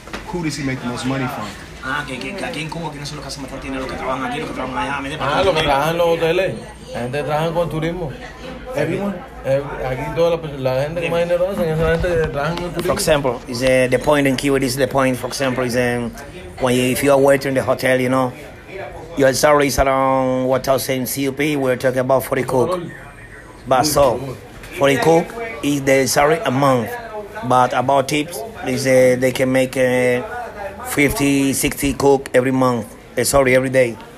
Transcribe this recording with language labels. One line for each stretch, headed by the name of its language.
English: Who does he make the most money from?
Spanish: Que aquí en Cuba, ¿quiénes son los que hacen bastante dinero? Que trabajan aquí, los que trabajan allá. Aquí toda la gente que más dinero hace, esa gente trabaja con turismo.
English: For example, is the point in Cuba, this is the point, for example, is when you, if you are waiting in the hotel, you know, your salary is around 1,000 CUP, we're talking about 40 cook. But so, 40 cook is the salary a month. But about tips, is they can make 50, 60 cook every month, sorry, every day.